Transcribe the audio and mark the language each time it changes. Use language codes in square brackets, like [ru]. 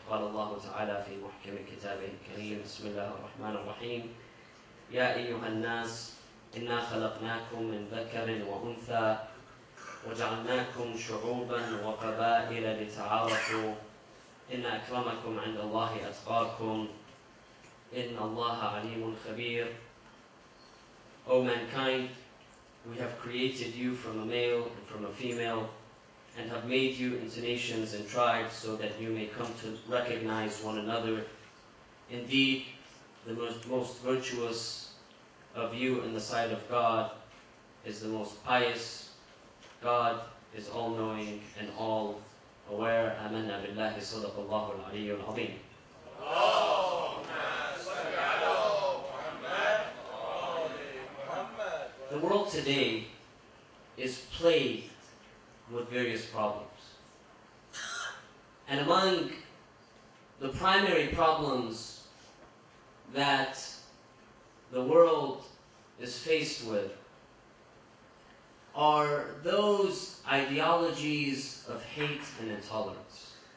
[ar] قال الله تعالى في محكم كتابه الكريم، بسم الله الرحمن الرحيم: يا أيها الناس، إنا خلقناكم من ذكر وأنثى وجعلناكم شعوبا وقبائل لتعارفوا، إن أكرمكم عند الله أتقاكم، إن الله عليم خبير. [en] O mankind, we have created you from a male and from a female, and have made you into nations and tribes so that you may come to recognize one another. Indeed, the most virtuous of you in the sight of God is the most pious. God is all-knowing and all aware. [ar] آمنا بالله صدق الله العلي العظيم. اللهم صل على محمد وآل محمد. [en] The world today is plagued with various problems. And among the primary problems that the world is faced with are those ideologies of hate and intolerance.